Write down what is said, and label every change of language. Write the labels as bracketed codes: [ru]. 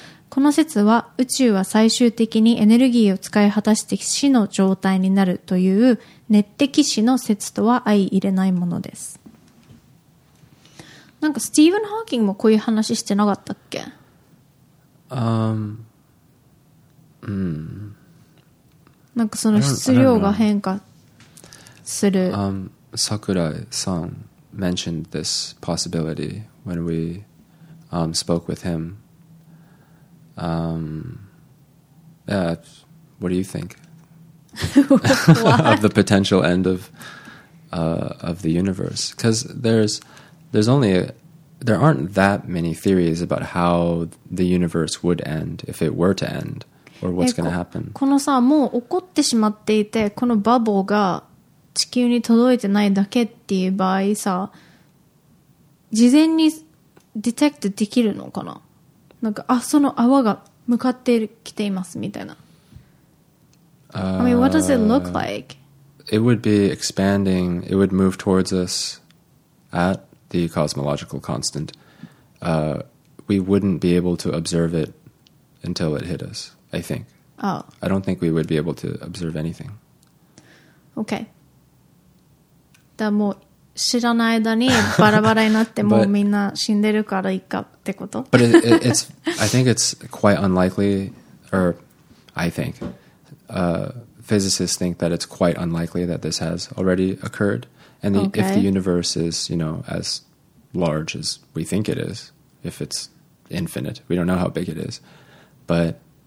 [ja] この説は宇宙は最終的にエネルギーを使い果たして死の状態になるという熱的死の説とは相入れないものです。なんかスティーブン・ハーキングもこういう話してなかったっけ？なんかその質量が変化する。 [en] Sakurai san mentioned this possibility when we spoke with him. Yeah, what do you think of the potential end of the universe? Because there aren't that many theories about how the universe would end if it were to end. Or what's going to happen? [ja] このさ、もう起こってしまっていて、このバブルが地球に届いてないだけっていう場合さ、事前にディテクトできるのかな？なんか、あ、その泡が向かってきていますみたいな。 [en] I mean, what does it look like? It would be expanding. It would move towards us at the cosmological constant. We wouldn't be able to observe it until it hit us. I think. Oh. I don't think we would be able to observe anything. Okay. [ja] だもう知らない間にバラバラになってもうみんな死んでるからいいかってこと? [en] But it's, I think it's quite unlikely, or I think, physicists think that it's quite unlikely that this has already occurred. And the, okay. if the universe is, you know, as large as we think it is, if it's infinite, we don't know how big it is, but...